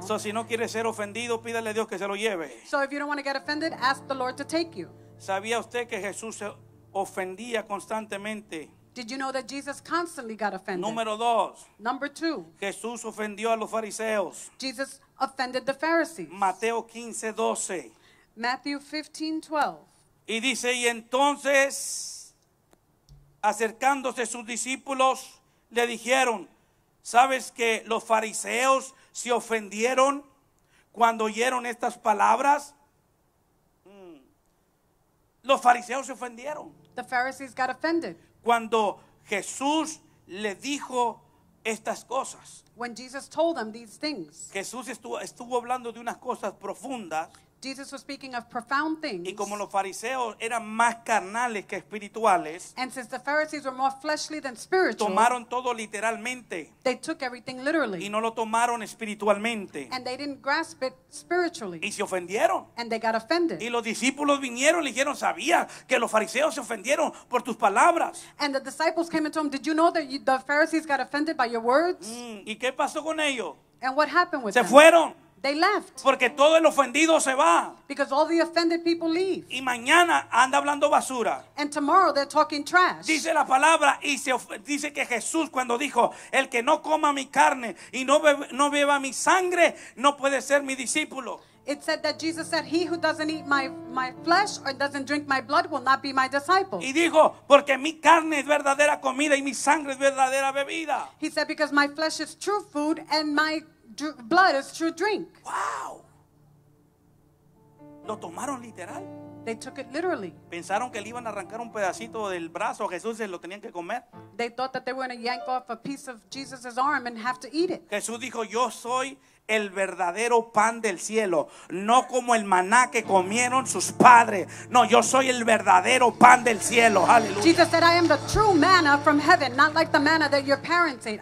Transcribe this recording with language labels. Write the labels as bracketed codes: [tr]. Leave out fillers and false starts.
[es] So si no quiere ser ofendido, pídale a Dios que se lo lleve. [en] So if you don't want to get offended, ask the Lord to take you. [es] ¿Sabía usted que Jesús se ofendía constantemente? [en] Did you know that Jesus constantly got offended? [es] Número dos. [en] Number two. [es] Jesús ofendió a los fariseos. [en] Jesus offended the Pharisees. [es] Mateo 15, 12. [en] Matthew 15, 12. [es] Y dice, y entonces, acercándose sus discípulos, le dijeron, ¿sabes que los fariseos se ofendieron cuando oyeron estas palabras? Los fariseos se ofendieron. [en] The Pharisees got offended. [es] Cuando Jesús le dijo estas cosas. [en] When Jesus told them these things. [es] Jesús estuvo hablando de unas cosas profundas. [en] Jesus was speaking of profound things. [es] Y como los fariseos eran más carnales que espirituales. [en] And since the Pharisees were more fleshly than spiritual. [es] Tomaron todo literalmente. [en] They took everything literally. [es] Y no lo tomaron espiritualmente. [en] And they didn't grasp it spiritually. [es] Y se ofendieron. [en] And they got offended. [es] Y los discípulos vinieron y dijeron, sabía que los fariseos se ofendieron por tus palabras. [en] And the disciples came and told him, did you know that the Pharisees got offended by your words? [es] ¿Y qué pasó con ellos? [en] And what happened with [es] se [en] them? [es] Se fueron. [en] They left. [es] Porque todo el ofendido se va. [en] Because all the offended people leave. [es] Y mañana anda hablando basura. [en] And tomorrow they're talking trash. [es] Dice la palabra y dice que Jesús cuando dijo, el que no coma mi carne y no beba mi sangre, no puede ser mi discípulo. [en] It said that Jesus said, he who doesn't eat my flesh or doesn't drink my blood will not be my disciple. [es] Y dijo, porque mi carne es verdadera comida y mi sangre es verdadera bebida. [en] He said, because my flesh is true food and my blood is true drink. Wow. [es] Lo tomaron literal. [en] They took it literally. [es] Pensaron que le iban a arrancar un pedacito del brazo a Jesús y lo tenían que comer. [en] They thought that they were going to yank off a piece of Jesus' arm and have to eat it. [es] Jesús dijo, yo soy el verdadero pan del cielo, no como el maná que comieron sus padres. No, yo soy el verdadero pan del cielo. Aleluya. [en] Jesus said, I am the true manna from heaven, not like the manna that your parents ate.